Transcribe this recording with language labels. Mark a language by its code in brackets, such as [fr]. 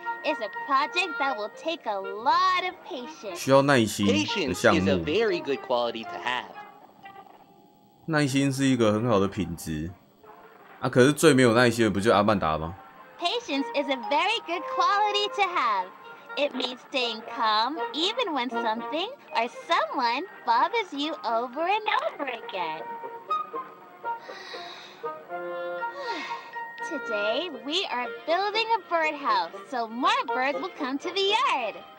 [en] It's a project that will take a lot of patience. [zh] 需要耐心的项目。 [en] Patience is a very good quality to have. [zh] 耐心是一个很好的品质。啊，可是最没有耐心的不就阿曼达吗 [en] ？Patience is a very good quality to have. It means staying calm even when something or someone bothers you over and over again. Today, we are building a birdhouse, so more birds will come to the yard.